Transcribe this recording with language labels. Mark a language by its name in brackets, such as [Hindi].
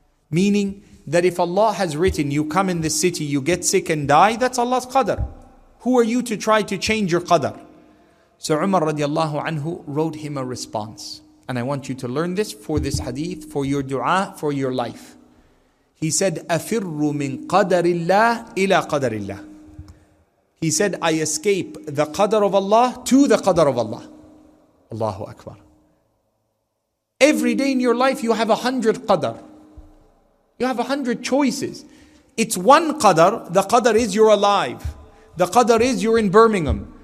[English] Meaning that if Allah has written, you come in this city, you get sick and die, that's Allah's qadr. Who are you to try to change your qadr? So Umar radiallahu anhu wrote him a response. And I want you to learn this for this hadith, for your dua, for your life. He said, [Arabic] أَفِرُّ مِنْ قَدَرِ اللَّهِ إِلَىٰ قَدَرِ اللَّهِ. [English] He said, I escape the qadr of Allah to the qadr of Allah. Allahu Akbar. Every day in your life, you have 100 qadr. You have 100 choices. It's one qadr. The qadr is you're alive. The qadr is you're in Birmingham.